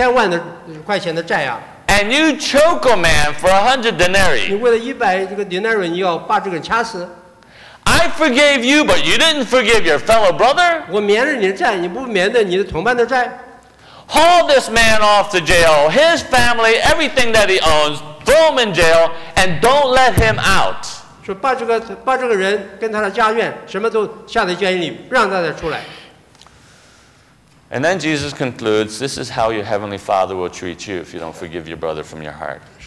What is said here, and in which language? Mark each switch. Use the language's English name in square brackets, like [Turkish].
[Chinese] 他说,我刚才是不是已经免了你1,000万块钱的债啊? [English] And you choke a man for 100 denarii. [Chinese] 你为了100denarii,你要把这个人掐死? [English] I forgave you, but you didn't forgive your fellow brother. [Chinese] 我免了你的债,你不免了你的同伴的债? [English] Haul this man off to jail, his family, everything that he owns, throw him in jail, and don't let him out. [Chinese] 把这个人跟他的家眷什么都下在监狱里，不让他再出来。 [English] And then Jesus concludes, this is how your heavenly Father will treat you if you don't forgive your brother from your heart.